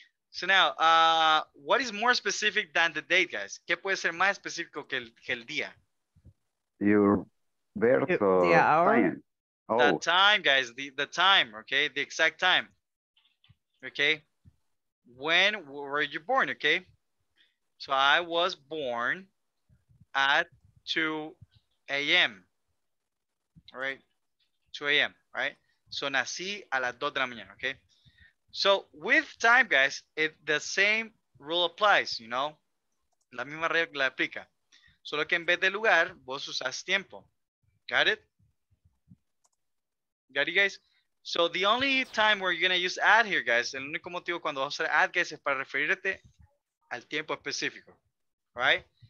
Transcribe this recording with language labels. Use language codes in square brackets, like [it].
[en] So now, what is more specific than the date, guys? [es] ¿Qué puede ser más específico que el día? [en] Your birthday. Yeah, hour. Time. Oh. That time, guys. The time, okay? The exact time. Okay? When were you born, okay? So I was born at 2 a.m. All right? 2 a.m., right? [es] So nací a las 2 de la mañana, okay? [en] So with time, guys, it, the same rule applies, you know? [es] La misma regla aplica. Solo que en vez de lugar, vos usas tiempo. [en] Got it? Got it, guys? So the only time where you're going to use add here, guys, [es] el único motivo cuando vas a usar add, guys, es para referirte al tiempo específico. [en] Right?